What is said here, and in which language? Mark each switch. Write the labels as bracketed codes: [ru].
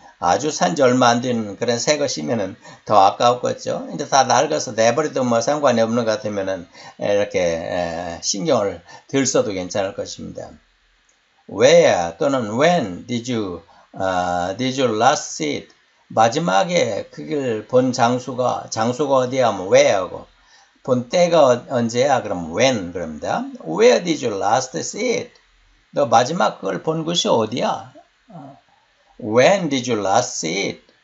[ko] 아주 산지 얼마 안된 그런 새 것이면은 더 아까웠겠죠. 이제 다 낡아서 내버려도 뭐 상관이 없는 것 같으면은 이렇게 신경을 덜 써도 괜찮을 것입니다. [en] Where [ko] 또는 [en] when did you last see it? [ko] 마지막에 그걸 본 장소가 어디야? 뭐 where하고 본 때가 언제야? 그럼 when 그럽니다. [en] Where did you last see it? [ko] 너 마지막 그걸 본 곳이 어디야? [en] When did you last see it?